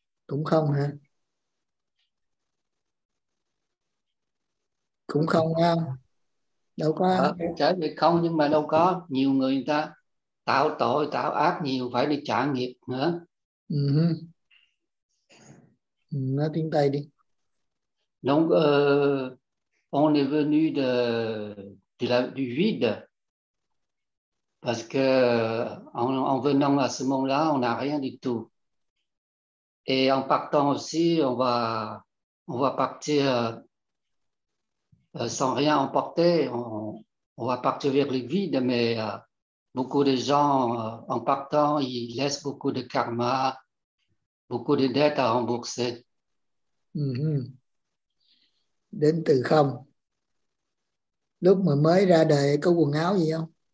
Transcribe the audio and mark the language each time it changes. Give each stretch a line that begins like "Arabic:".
Vietnamese: Cũng không hả? Cũng không nha. Đâu có. Trở về không nhưng mà đâu có. Nhiều người ta tạo tội tạo ác nhiều phải đi trả nghiệp nữa. Nói tiếng Tây đi.
French: Donc on est venu de la du vide parce que en venant à ce moment-là on n'a rien du tout et en partant aussi on va partir sans rien emporter, on va partir vers le vide, mais beaucoup de gens, en partant, ils laissent beaucoup de karma, beaucoup de dettes à rembourser.
Vietnamese: Đến từ không. Lúc mà mới ra đời có quần áo gì không?